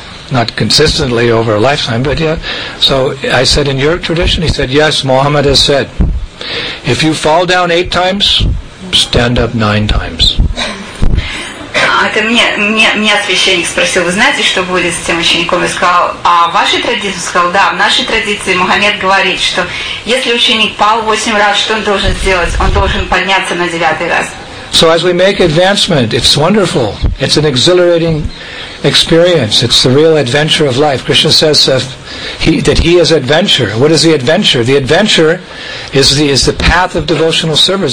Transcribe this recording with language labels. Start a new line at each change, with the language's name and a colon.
English: Not consistently over a lifetime, but yeah. So I said, in your tradition, he said, yes, Muhammad has said, if you fall down 8 times, stand up 9 times.
Russian: Это меня священник спросил, вы знаете, что будет с тем учеником? Я сказал, а в вашей традиции? Он сказал, да, в нашей традиции Мухаммед говорит, что если ученик пал 8 раз, что он должен сделать? Он должен подняться на 9-й раз.
English: So as we make advancement, it's wonderful. It's an exhilarating experience. It's the real adventure of life. Krishna says that he is adventure. What is the adventure? The adventure is the path of devotional service.